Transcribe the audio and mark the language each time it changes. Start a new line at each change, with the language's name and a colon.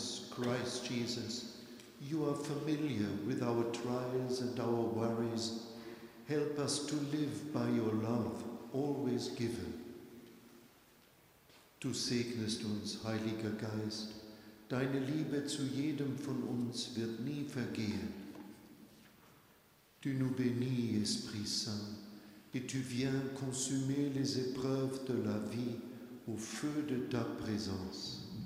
English: Christ Jesus, you are familiar with our trials and our worries. Help us to live by your love, always given.
German: Du segnest uns, Heiliger Geist. Deine Liebe zu jedem von uns wird nie vergehen.
French: Tu nous bénis, Esprit Saint, et tu viens consumer les épreuves de la vie au feu de ta présence.